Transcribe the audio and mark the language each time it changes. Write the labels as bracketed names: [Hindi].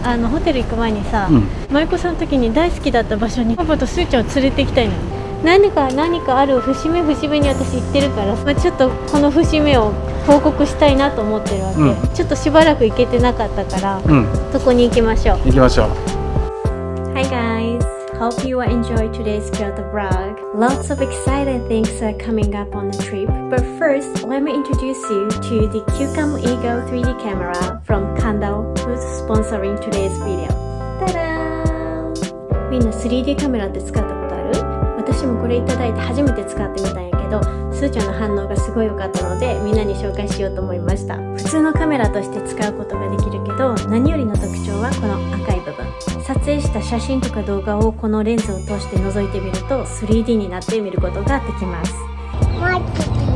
[Japanese] あのホテル行く前にさ、舞妓さんの時に大好きだった場所にパパとスーちゃんを連れて行きたいのに、何かある節目節目に私行ってるから、まあ、ちょっとこの節目を報告したいなと思ってるわけ、ちょっとしばらく行けてなかったから、そこに行きましょう。行きましょう。 [English] Hi guys, hope you enjoy today's Kyoto vlog. Lots of exciting things are coming up on the trip, but first let me introduce you to the Kyukam Ego 3D camera from Kanda, who's sponsoring today's video. Ta-da! [Japanese] みんな 3D カメラって使ったことある？私もこれいただいて初めて使ってみたんやけど、スーちゃんの反応がすごい良かったのでみんなに紹介しようと思いました。普通のカメラとして使うことができるけど、何よりの特徴はこの赤い部分。撮影した写真とか動画をこのレンズを通して覗いてみると 3D になって見ることができます。